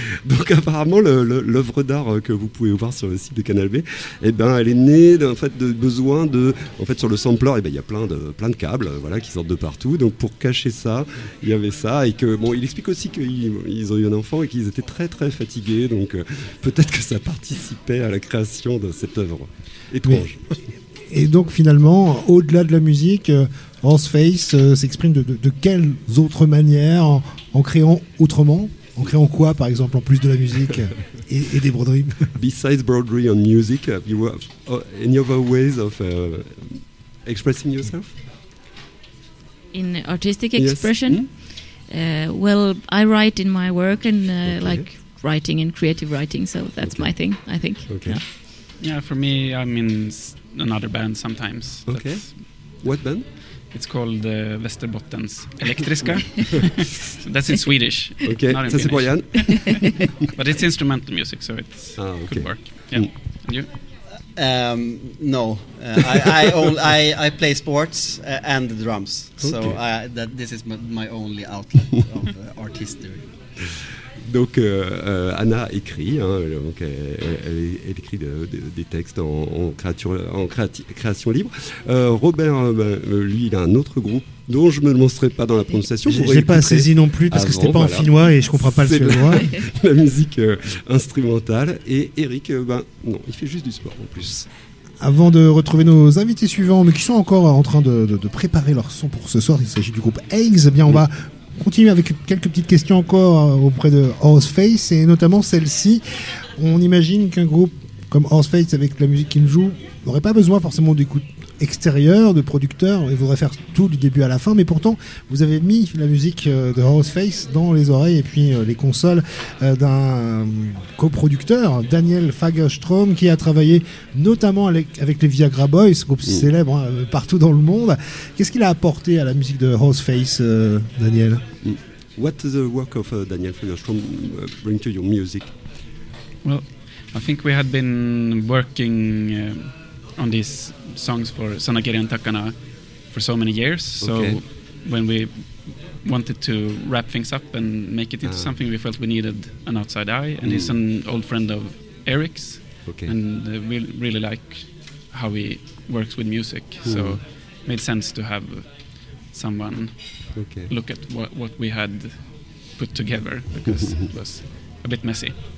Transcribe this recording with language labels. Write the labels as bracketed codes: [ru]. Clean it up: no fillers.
[fr] Donc apparemment l'œuvre d'art que vous pouvez voir sur le site de Canal B, et bien elle est née en fait de besoin de, en fait sur le sampler il y a plein de câbles voilà qui sortent de partout, donc pour cacher ça il y avait ça, et que bon il explique aussi qu'ils ont eu un enfant et qu'ils étaient très très fatigués, donc peut-être que ça part participer à la création de cette œuvre étrange. Et donc finalement, au-delà de la musique, Horseface s'exprime de quelles autres manières, en créant autrement, En créant quoi, par exemple, en plus de la musique et des broderies? [en] Besides broderie and music, have you have any other ways of expressing yourself? In artistic expression? Yes. Well, I write in my work and like writing and creative writing, so that's my thing, I think. Okay. Yeah. Yeah, for me, I'm in another band sometimes. Okay. What band? It's called Västerbottens Elektriska. That's in Swedish. Okay. Not in Finnish. Okay. But it's instrumental music, so it could work. Yeah. Mm. And you? No, I play sports and the drums. Okay. So this is my only outlet of art history. [fr] Donc Anna écrit, hein, donc elle écrit des textes en création libre. Robert, lui, il a un autre groupe dont je ne me lancerai pas dans la prononciation. Je n'ai pas saisi non plus parce que ce n'était pas en finnois et je ne comprends pas le suédois. La musique instrumentale. Et Eric, non, il fait juste du sport en plus. Avant de retrouver nos invités suivants, mais qui sont encore en train de préparer leur son pour ce soir, il s'agit du groupe Eggs, on va continuer avec quelques petites questions encore auprès de Horseface, et notamment celle-ci. On imagine qu'un groupe comme Horseface, avec la musique qu'il joue, n'aurait pas besoin forcément d'écoute extérieure, de producteur, et voudrait faire tout du début à la fin, mais pourtant, vous avez mis la musique de Horseface dans les oreilles et puis les consoles d'un coproducteur, Daniel Fagerström, qui a travaillé notamment avec les Viagra Boys, groupe célèbre partout dans le monde. Qu'est-ce qu'il a apporté à la musique de Horseface, Daniel? [en] What does the work of Daniel Fagerström bring to your music? Well, I think we had been working on this songs for Sanagiri and Takana for so many years, so when we wanted to wrap things up and make it into something, we felt we needed an outside eye, and he's an old friend of Eric's, and we really like how he works with music, so it made sense to have someone look at what we had put together, because it was a bit messy.